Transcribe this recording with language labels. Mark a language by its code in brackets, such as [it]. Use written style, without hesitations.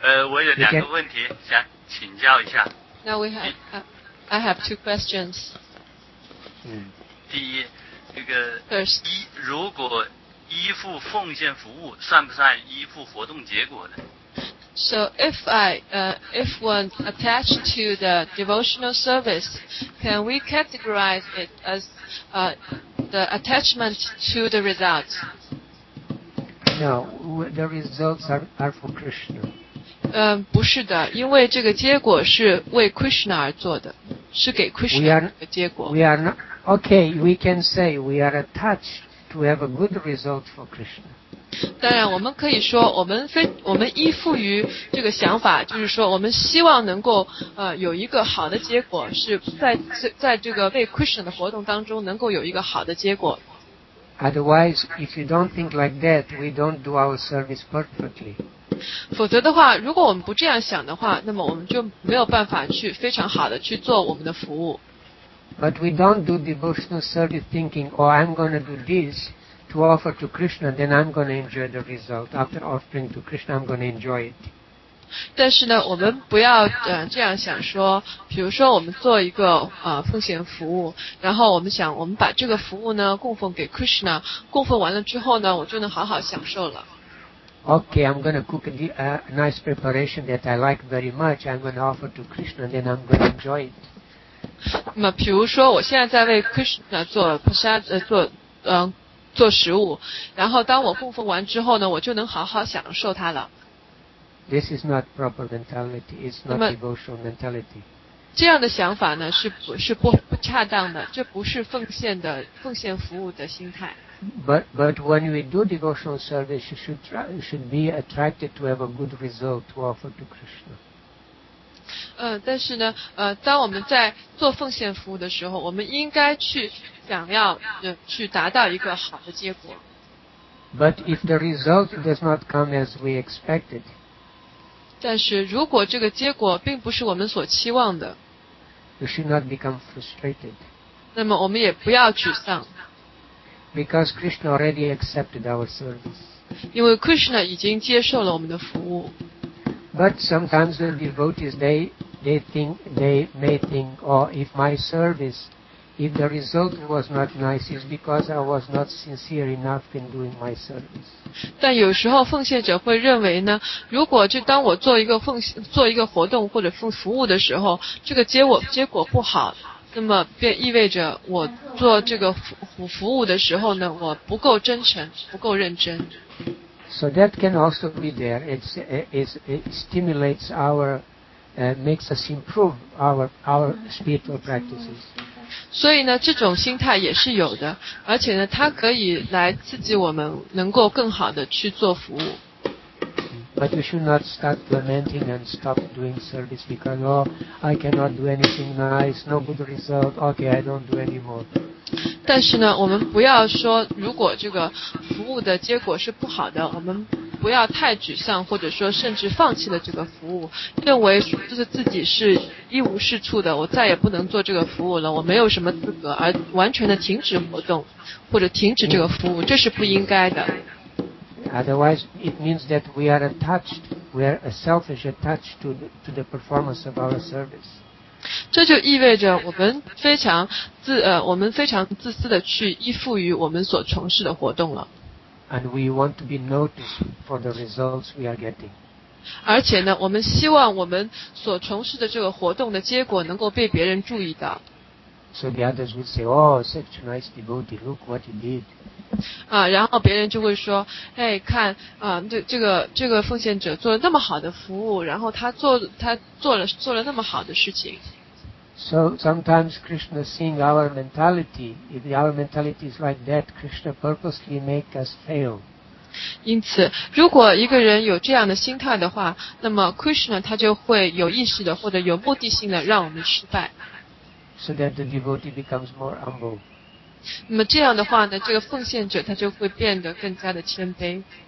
[zh] 我有两个问题想请教一下。 [en] Now we have, I have two questions. [zh] 第一，这个 [en] First. [zh] 如果依附奉献服务，算不算依附活动结果呢？ [en] So if if one attached to the devotional service, can we categorize it as the attachment to the results? No, the results are for Krishna. [zh] 不是的，因为这个结果是为 Krishna 而做的，是给 Krishna 的结果。 [en] We can say we are attached to have a good result for Krishna. [zh] 当然我们可以说我们依附于这个想法，就是说我们希望能够有一个好的结果，是在这个为 Krishna 的活动当中能够有一个好的结果。 [en] Otherwise, if you don't think like that, we don't do our service perfectly. [zh] 否则的话，如果我们不这样想的话，那么我们就没有办法去非常好的去做我们的服务。 [en] But we don't do devotional service thinking, oh, I'm going to do thisTo offer to Krishna, then I'm going to enjoy the result. After offering to Krishna, I'm going to enjoy it. [zh] 但是呢，我们不要这样想说，比如说我们做一个奉献服务，然后我们想我们把这个服务呢供奉给 Krishna， 供奉完了之后呢，我就能好好享受了。 [en] Okay, I'm going to cook a nice preparation that I like very much. I'm going to offer to Krishna, then I'm going to enjoy it. [zh] 那么比如说我现在在为 Krishna 做 prasad 做食物，然后当我供奉完之后呢，我就能好好享受它了。 [en] This is not proper mentality. It's not devotional mentality. [zh] 这样的想法呢，是不恰当的，这不是奉献服务的心态。 [en] But when we do devotional service, you should be attracted to have a good result to offer to Krishna. [zh] 但是呢，当我们在做奉献服务的时候，我们应该去。想要去达到一个好的结果。 [en] But if the result does not come as we expected, [zh] 但是如果这个结果并不是我们所期望的， [en] you should not become frustrated. [zh] 那么我们也不要沮丧。 [en] Because Krishna already accepted our service. [zh] 因为 Krishna 已经接受了我们的服务。 [en] But sometimes the devotees they may think, or if my service If the result was not nice, it's because I was not sincere enough in doing my service. [zh] 但有时候奉献者会认为呢，如果就当我做一个活动或者服务的时候，这个结果不好，那么便意味着我做这个服务的时候呢，我不够真诚，不够认真。 [en] So that can also be there. It stimulates our, makes us improve our spiritual practices. [zh] 所以呢，这种心态也是有的，而且呢，它可以来刺激我们能够更好的去做服务。 [en] But you should not start lamenting and stop doing service because oh, I cannot do anything nice, no good result. Okay, I don't do anymore. [zh] 但是呢，我们不要说如果这个服务的结果是不好的，我们不要太沮丧，或者说甚至放弃了这个服务，认为就是自己是一无是处的，我再也不能做这个服务了，我没有什么资格，而完全的停止活动或者停止这个服务，这是不应该的。 [en] Otherwise, it means that we are attached, we are selfish attached to the performance of our service. [zh] 这就意味着我们非常自我们非常自私的去依附于我们所从事的活动了。 [en] And we want to be noticed for the results we are getting. [zh] 而且呢，我们希望我们所从事的这个活动的结果能够被别人注意到。 [en] So the others would say, "Oh, such a nice devotee! Look what he did." [zh] 啊，然后别人就会说，哎，看，啊，这个奉献者做了那么好的服务，然后他做了那么好的事情。 [en] So sometimes Krishna seeing our mentality, if our mentality is like that, Krishna purposely make us fail. [zh] 因此，如果一个人有这样的心态的话，那么 Krishna 他就会有意识的或者有目的性的让我们失败。 [en] So that the devotee becomes more humble. [zh] 那么这样的话呢，这个奉献者他就会变得更加的谦卑。